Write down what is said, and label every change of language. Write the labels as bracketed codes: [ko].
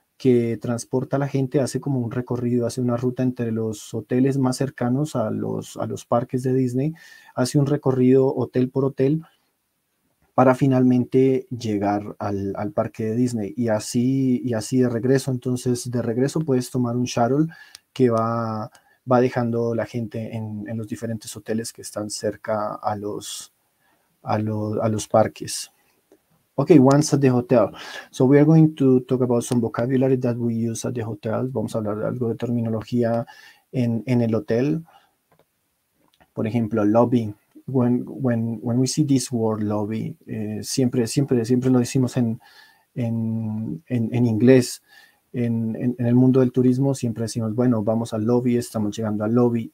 [es] que transporta a la gente, hace como un recorrido, hace una ruta entre los hoteles más cercanos a los parques de Disney, hace un recorrido hotel por hotel para finalmente llegar al parque de Disney y así de regreso. Entonces, de regreso puedes tomar un shuttle que va dejando la gente en los diferentes hoteles que están cerca a los parques. [en] Okay, once at the hotel. So we are going to talk about some vocabulary that we use at the hotel. [es] Vamos a hablar de algo de terminología en el hotel. Por ejemplo, lobby. [en] When we see this word lobby, [es] siempre lo decimos en inglés. En el mundo del turismo siempre decimos, bueno, vamos al lobby, estamos llegando al lobby.